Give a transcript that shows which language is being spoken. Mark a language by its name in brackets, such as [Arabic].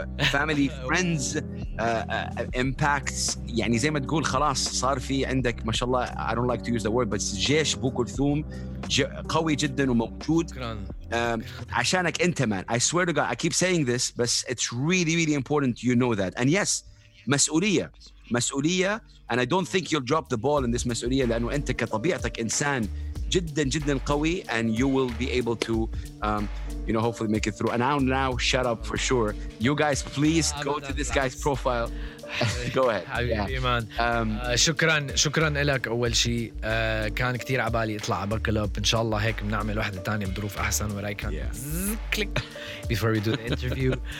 [English] Family, friends, impacts. [Arabic] يعني زي ما تقول خلاص صار في عندك ما شاء الله. [English] I don't like to use the word, but [Arabic] جيش بو كلثوم قوي جدا وموجود. عشانك انت, man. [English] I swear to God, I keep saying this, but it's really, really important you know that. And yes, مسؤولية, and I don't think you'll drop the ball in this مسؤولية, [Arabic] لأنه أنت كطبيعتك إنسان جدا جدا قوي, [English] and you will be able to, you know, hopefully make it through. And I'll now shut up for sure. You guys, please go to this guy's profile. Go ahead. [Arabic] حبيبي, man. شكرا لك أول شيء. كان كتير عبالي أطلع على بكلوب. إن شاء الله هيك بنعمل واحدة تانية بظروف أحسن, وراي كان كليك [English] before we do the interview.